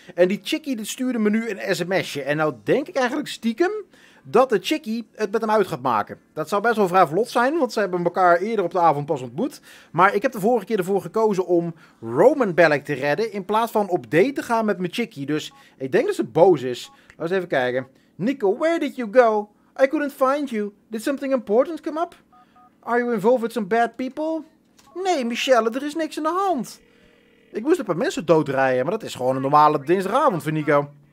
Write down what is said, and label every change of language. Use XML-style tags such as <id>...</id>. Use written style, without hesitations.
<nl>En die chickie stuurde me nu een sms'je. En nou denk ik eigenlijk stiekem dat de chickie het met hem uit gaat maken. Dat zou best wel vrij vlot zijn, want ze hebben elkaar eerder op de avond pas ontmoet. Maar ik heb de vorige keer ervoor gekozen om Roman Bellic te redden in plaats van op date te gaan met mijn chickie. Dus ik denk dat ze boos is. Laten we even kijken.</nl> <en>Nico, where did you go? I couldn't find you. Did something important come up? Are you involved with some bad people?</en> <nl>Nee, Michelle, er is niks aan de hand. Ik moest een paar mensen doodrijden, maar dat is gewoon een normale dinsdagavond voor Nico.</nl>